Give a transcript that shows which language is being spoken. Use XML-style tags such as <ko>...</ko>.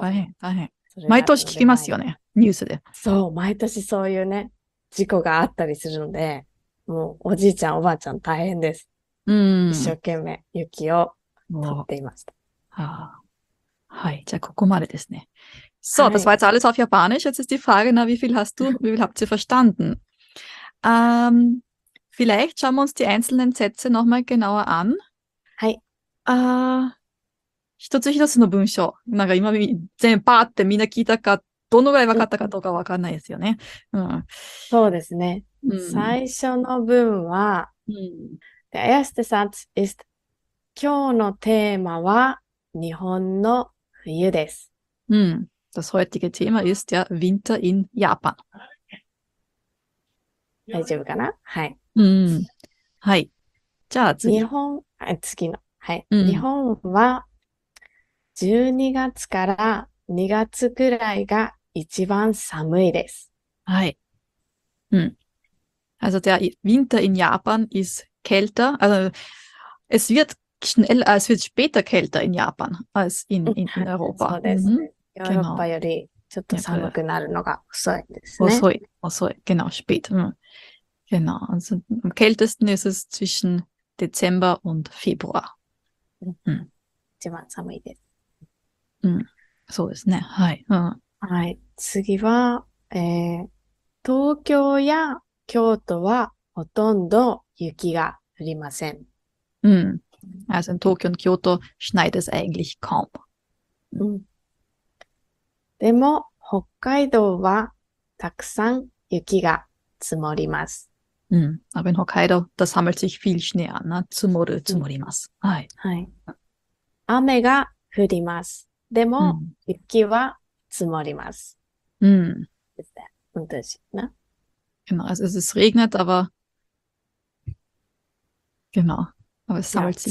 <ja>大変大変。毎年聞きますよね、ニュースで。そう、毎年そういうね、事故があったりするので、もうおじいちゃん、おばあちゃん大変です。うん。一生懸命雪を取っていました。はい、じゃあここまでですね。</ja> <de>So, das war jetzt alles auf Japanisch. Jetzt ist die Frage, na, wie viel hast du, wie viel habt ihr verstanden? Vielleicht schauen wir uns die einzelnen Sätze nochmal genauer an.</de> <ja>Hi. 一つ一つの文章。なんか今、全部パーってみんな聞いたか、どのぐらい分かったかどうか分かんないですよね。うん、そうですね。うん、最初の文は、うん、</ja> <de>der erste Satz ist,</de> <ja>今日のテーマは日本の冬です。</ja> <de>Mm, das heutige Thema ist der Winter in Japan.</de> <ja>大丈夫かな？はい。うん。はい。じゃあ次。日本、あ、次の。はい。うん、日本は12月から2月くらいが一番寒いです。はい。うん。</ja> <de>Also der Winter in Japan ist kälter. Also es wird schnell, es wird später kälter in Japan als in Europa.</de> <ja>そうです。Mm-hmm. ヨーロッパよりちょっと寒くなるのが遅いですね。</ja> <de>遅い。Genau, spät. Genau. Also, am kältesten ist es zwischen Dezember und Februar.</de> <ja>一番寒いです。そうですね。はい。はい。次は、東京や京都はほとんど雪が降りません。</ja> <de>Also, in Tokio und Kyoto schneit es eigentlich kaum.</de> <ja>でも北海道はたくさん雪が積もります。</ja> <de>うん、aber in Hokkaido da sammelt sich viel Schnee an, 積もります。</de> <ja>はい。はい。雨が降ります。でも雪は積もります。うん。同じな。</ja> <de>Genau, also es regnet, aber genau, aber es sammelt sich.</de>